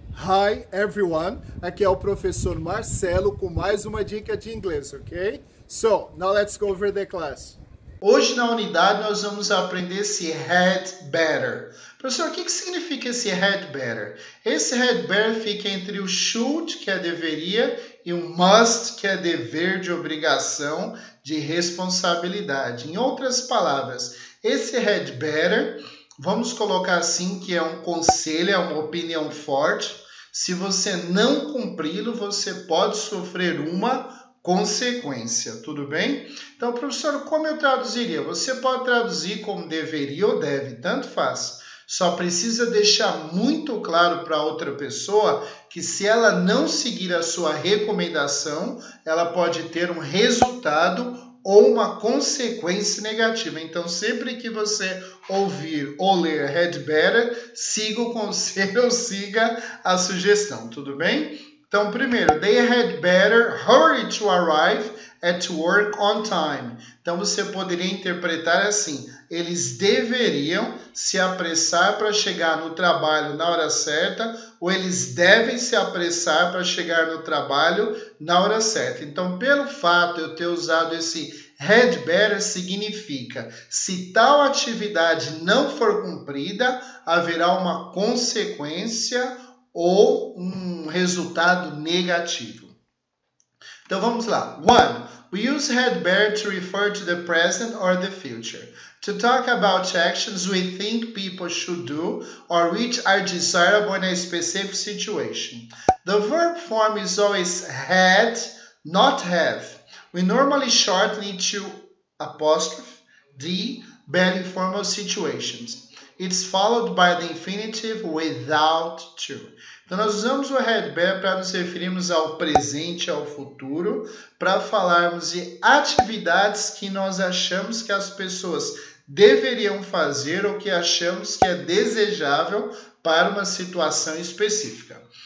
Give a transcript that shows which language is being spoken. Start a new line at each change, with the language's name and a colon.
English: Hi everyone,
Portuguese: aqui é o professor Marcelo com mais uma dica de inglês, ok?
English: So, now let's go over the class.
Portuguese: Hoje na unidade nós vamos aprender esse had better. Professor, o que significa esse had better? Esse had better fica entre o should, que é deveria, e o must, que é dever de obrigação, de responsabilidade. Em outras palavras, esse had better, vamos colocar assim que é um conselho, é uma opinião forte. Se você não cumpri-lo, você pode sofrer uma consequência, tudo bem? Então, professor, como eu traduziria? Você pode traduzir como deveria ou deve, tanto faz. Só precisa deixar muito claro para outra pessoa que se ela não seguir a sua recomendação, ela pode ter um resultado ou uma consequência negativa. Então, sempre que você ouvir ou ler Had Better, siga o conselho ou siga a sugestão, tudo bem? Então, primeiro,
English: they had better hurry to arrive at work on time.
Portuguese: Então, você poderia interpretar assim, eles deveriam se apressar para chegar no trabalho na hora certa ou eles devem se apressar para chegar no trabalho na hora certa. Então, pelo fato de eu ter usado esse had better, significa, se tal atividade não for cumprida, haverá uma consequência ou um resultado negativo. Então vamos lá. 1.
English: We use had better to refer to the present or the future. To talk about actions we think people should do or which are desirable in a specific situation. The verb form is always had, not have. We normally shorten it to apostrophe, D, bad informal situations. It's followed by the infinitive without to.
Portuguese: Então, nós usamos o had better para nos referirmos ao presente, ao futuro, para falarmos de atividades que nós achamos que as pessoas deveriam fazer ou que achamos que é desejável para uma situação específica.